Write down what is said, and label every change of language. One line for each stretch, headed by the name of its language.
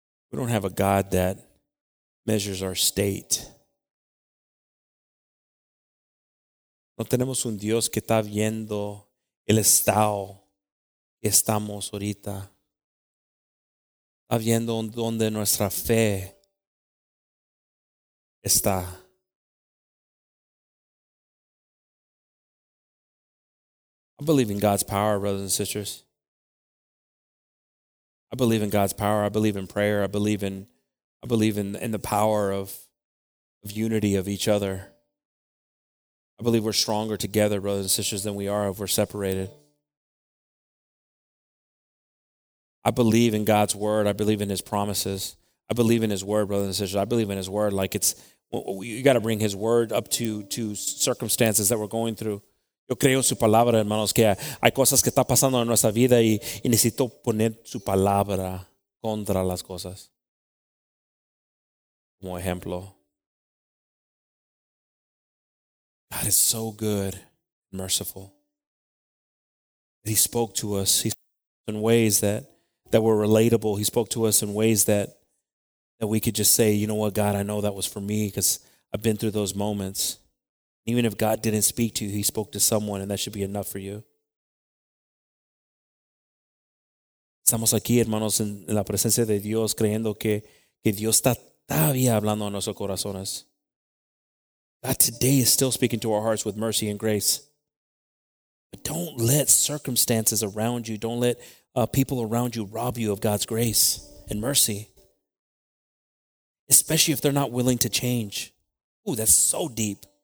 English: We don't have a God that measures our state.
Spanish: No tenemos un Dios que está viendo el estado que estamos ahorita. Está viendo donde nuestra fe está.
English: I believe in God's power, brothers and sisters. I believe in God's power. I believe in prayer. I believe in the power of unity of each other. I believe we're stronger together, brothers and sisters, than we are if we're separated. I believe in God's word. I believe in his promises. I believe in his word, brothers and sisters. I believe in his word. Like it's, you got to bring his word up to circumstances that we're going through.
Spanish: Yo creo su palabra, hermanos, que hay cosas que está pasando en nuestra vida y necesito poner su palabra contra las cosas. Como ejemplo.
English: God is so good and merciful. He spoke to us. He spoke to us in ways that were relatable. He spoke to us in ways that we could just say, you know what, God, I know that was for me because I've been through those moments. Even if God didn't speak to you, he spoke to someone and that should be enough for you.
Spanish: Estamos aquí, hermanos, en la presencia de Dios, creyendo que Dios está todavía hablando a nuestros corazones.
English: God today is still speaking to our hearts with mercy and grace. But don't let circumstances around you, don't let people around you rob you of God's grace and mercy. Especially if they're not willing to change. Ooh, that's so deep.